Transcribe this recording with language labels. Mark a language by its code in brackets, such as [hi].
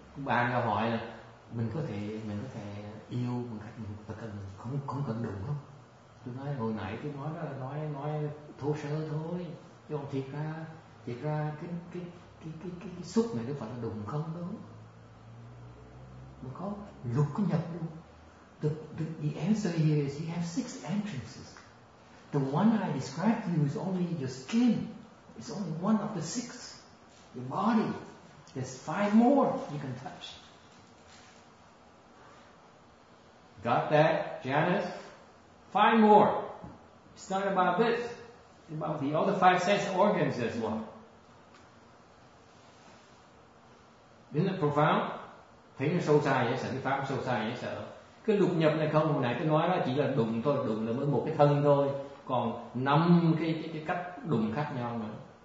[vi] Bà anh hỏi là mình có thể yêu một cách không cần đụng không? Tôi nói hồi nãy tôi nói đó là nói thô sơ thôi. Còn thiệt ra cái xúc này nó phải là đụng không đâu. Mà có lục có nhập luôn. [en] The answer here is you have six entrances. The one I described to you is only your skin. It's only one of the six. Your body. There's five more you can touch. Got that, Janice? Five more. It's not about this. It's about the other five sense organs as well. Isn't it profound? [vi] Thấy nó sâu xa nhé, sở cái pháp sâu xa nhé, sở. Cái lục nhập này không, hồi nãy tôi nói là chỉ là đụng thôi, đụng là mới một cái thân thôi. Còn năm cái cách đụng khác nhau nữa.